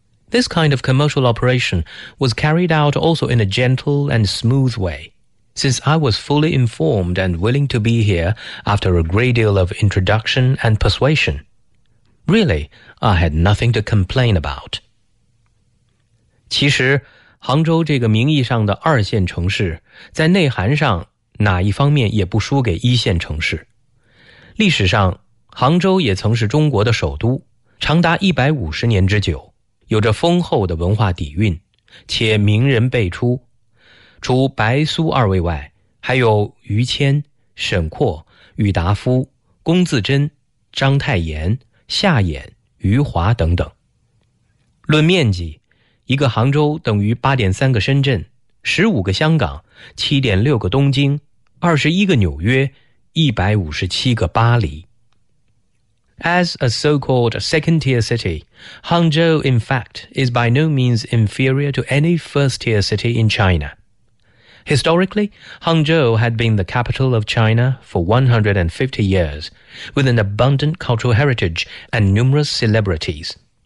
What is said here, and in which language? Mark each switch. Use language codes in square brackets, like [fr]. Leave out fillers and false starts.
[en] This kind of commercial operation was carried out also in a gentle and smooth way. Since I was fully informed and willing to be here after a great deal of introduction and persuasion. Really, I had nothing to complain about. [zh] 其实杭州这个名义上的二线城市在内涵上哪一方面也不输给一线城市。历史上杭州也曾是中国的首都长达150年之久有着丰厚的文化底蕴且名人辈出。除白苏二位外还有于谦、沈括、郁达夫、龚自珍、章太炎、夏衍、余华等等。论面积一个杭州等于 8.3 个深圳 ,15 个香港 ,7.6 个东京 ,21 个纽约 ,157 个巴黎。 [en] As a so-called second-tier city, Hangzhou in fact is by no means inferior to any first-tier city in China. Historically, Hangzhou had been the capital of China for 150 years, with an abundant cultural heritage and numerous celebrities.